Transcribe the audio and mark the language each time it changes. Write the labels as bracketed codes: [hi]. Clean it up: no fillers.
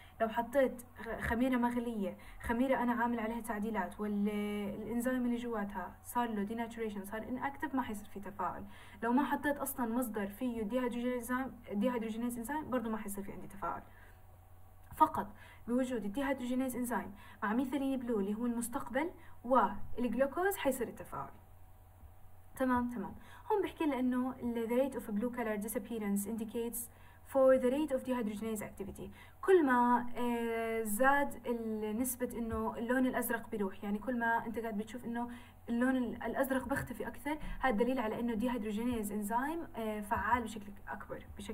[ar] لو حطيت خميره مغليه، خميره انا عامل عليها تعديلات والانزيم اللي جواتها صار له ديناتوريشن صار ان اكتف، ما حيصير في تفاعل. لو ما حطيت اصلا مصدر فيه ديهيدروجينيز انزيم برضه ما حيصير في عندي تفاعل. فقط بوجود الديهيدروجينيز انزيم مع ميثيلين بلو اللي هو المستقبل والجلوكوز حيصير التفاعل. تمام. هم بحكي لانه [en] the rate of blue color disappearance indicates for the rate of dehydrogenase activity. [ar] كل ما زاد النسبة انه اللون الازرق بيروح، يعني كل ما انت قاعد بتشوف انه اللون الازرق بيختفي اكثر، هذا دليل على انه dehydrogenase انزيم فعال بشكل اكبر.